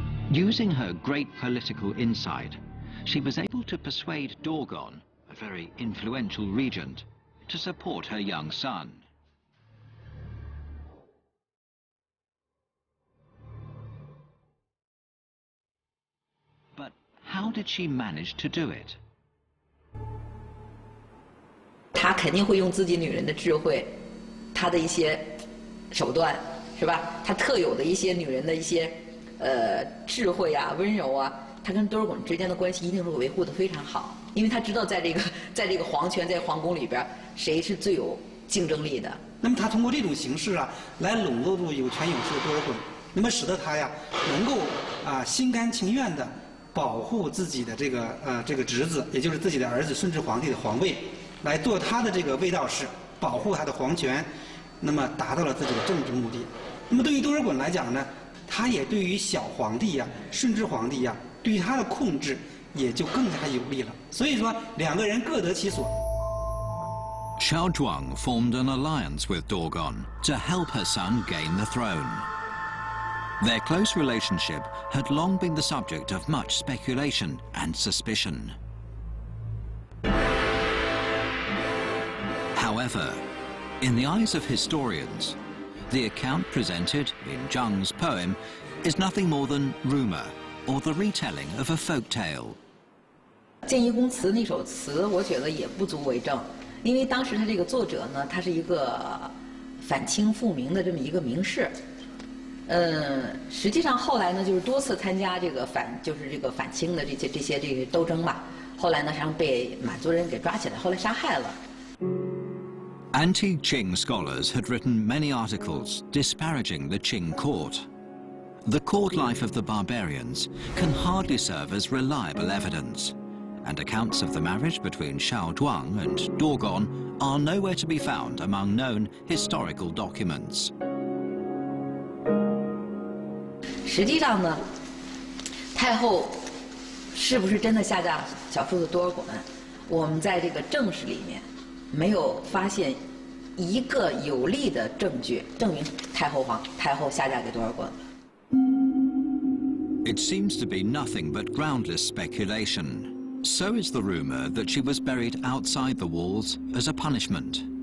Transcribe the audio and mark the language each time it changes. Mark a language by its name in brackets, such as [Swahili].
[English] Using her great political insight, she was able to persuade Dorgon, a very influential regent, to support her young son. But how did she manage to do it? [Chinese] 她肯定会用自己女人的智慧，她的一些手段，是吧？她特有的一些女人的一些。智慧啊，温柔啊，他跟多尔衮之间的关系一定是维护的非常好，因为他知道在这个皇权在皇宫里边，谁是最有竞争力的。那么他通过这种形式啊，来笼络住有权有势的多尔衮，那么使得他呀，能够啊心甘情愿的保护自己的这个侄子，也就是自己的儿子顺治皇帝的皇位，来做他的这个卫道士，保护他的皇权，那么达到了自己的政治目的。那么对于多尔衮来讲呢？他也对于小皇帝呀、顺治皇帝呀，对他的控制也就更加有利了。所以说，两个人各得其所。 [English] Xiao Zhuang formed an alliance with Dorgon to help her son gain the throne. Their close relationship had long been the subject of much speculation and suspicion. However, in the eyes of historians, the account presented in Zhang's poem is nothing more than rumor or the retelling of a folk tale. [Chinese] 建议公词那首词，我觉得也不足为证，因为当时他这个作者呢，他是一个反清复明的这么一个名士。实际上后来呢，就是多次参加这个反清的这些斗争吧。后来呢，实际上被满族人给抓起来，后来杀害了。 [English] Antique Qing scholars had written many articles disparaging the Qing court. The court life of the barbarians can hardly serve as reliable evidence, and accounts of the marriage between Xiao Zhuang and Dorgon are nowhere to be found among known historical documents. [Chinese] 实际上呢，太后是不是真的下嫁小叔子多尔衮？我们在这个正史里面没有发现一个有力的证据证明太后下嫁给多尔衮。 [English] It seems to be nothing but groundless speculation. So is the rumor that she was buried outside the walls as a punishment.